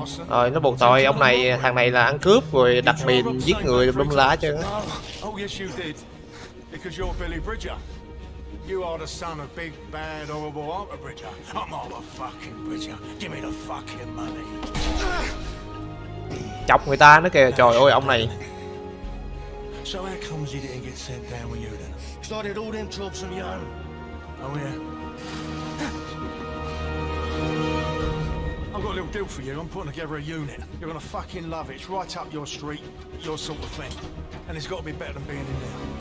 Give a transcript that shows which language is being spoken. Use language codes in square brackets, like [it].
[vi] Rồi nó buộc tội ông này, thằng này là ăn cướp rồi đặt mìn giết người đúng lá chứ. [en] Oh yes you did. Because you're Billy Bridger. You are the son of big bad horrible Arthur Bridger. I'm Arthur fucking Bridger. Give me the fucking money. [vi] Chọc người ta nó kìa, trời ơi ông này. [en] So how comes you didn't get sent down with you then? Started all them troubles from your own. Oh yeah. I've got a little deal for you. I'm putting together a unit. You're gonna fucking love it. It's right up your street, your sort of thing. And it's got to be better than being in there.